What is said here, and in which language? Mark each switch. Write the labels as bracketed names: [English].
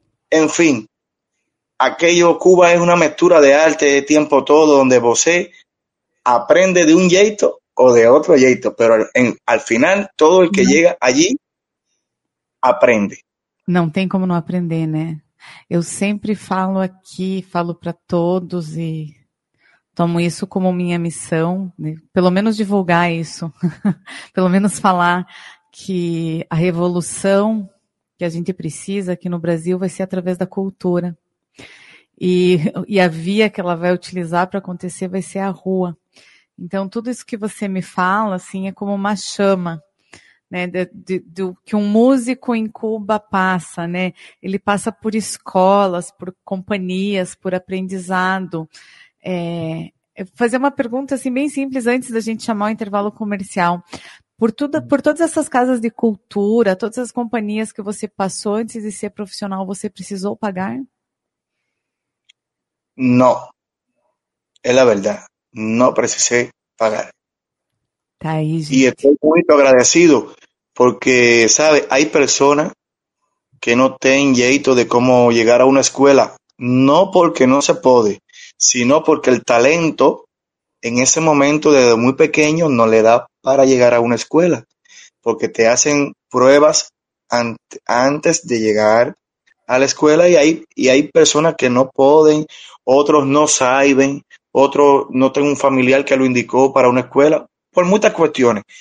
[Spanish] En fin, aquello, Cuba es una mezcla de arte, de tiempo todo, donde vos aprende de un jeito o de otro jeito, pero al final todo el que no llega allí aprende. [Portuguese] No tem como no aprender, né? Eu sempre falo aqui, falo para todos e tomo isso como minha missão, né? Pelo menos divulgar isso, pelo menos falar que a revolução que a gente precisa aqui no Brasil vai ser através da cultura. E a via que ela vai utilizar para acontecer vai ser a rua. Então, tudo isso que você me fala assim, é como uma chama, né, do que um músico em Cuba passa, né? Ele passa por escolas, por companhias, por aprendizado. Fazer uma pergunta assim, bem simples antes da gente chamar o intervalo comercial. Por todas essas casas de cultura, todas as companhias que você passou antes de ser profissional, você precisou pagar? Não. É a verdade. Não precisei pagar. Tá aí, gente. E estou muito agradecido. [Spanish] Porque, sabe, hay personas que no tienen jeito de cómo llegar a una escuela, no porque no se puede, sino porque el talento en ese momento desde muy pequeño no le da para llegar a una escuela, porque te hacen pruebas antes de llegar a la escuela y hay personas que no pueden, otros no saben, otros no tienen un familiar que lo indicó para una escuela, por muchas cuestiones.